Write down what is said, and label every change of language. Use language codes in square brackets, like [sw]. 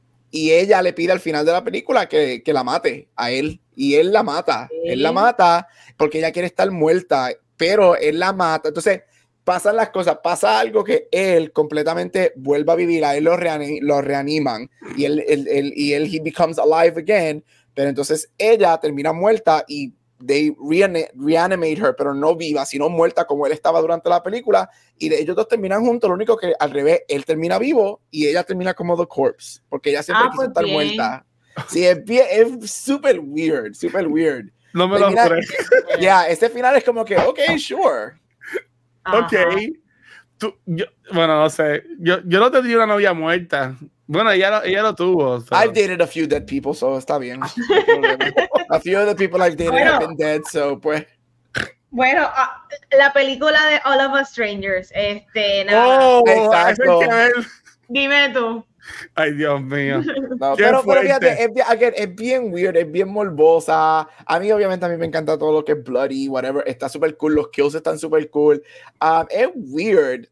[es] Y ella le pide al final de la película que la mate a él. Y él la mata. Sí. Él la mata porque ella quiere estar muerta. Pero él la mata. Entonces, pasan las cosas. Pasa algo que él completamente vuelve a vivir. A él lo reaniman. Y él [en] he becomes alive again. [es] Pero entonces ella termina muerta y [en] they reanimate her, [es] pero no viva, sino muerta como él estaba durante la película. Y de ellos dos terminan juntos. Lo único que al revés, él termina vivo y ella termina como [en] the corpse. [es] Porque ella siempre quiso estar muerta. Sí, es súper weird, súper weird. No me lo creo. Yeah, ese final es como que, ok, sure. Ok. Tú, yo, bueno, no sé. Yo no tendría una novia muerta. Bueno, ella lo tuvo. [en] So. I've dated a few dead people, so [es] está bien. [en] A few of the people I've dated have been dead, so [es] pues. Bueno, la película de All of Us Strangers, nada. Oh, exacto. Dime tú. Ay, Dios mío. No, pero fíjate, es bien weird, es bien morbosa. A mí, obviamente, a mí me encanta todo lo que es bloody, whatever. Está súper cool, los kills están súper cool. Es weird.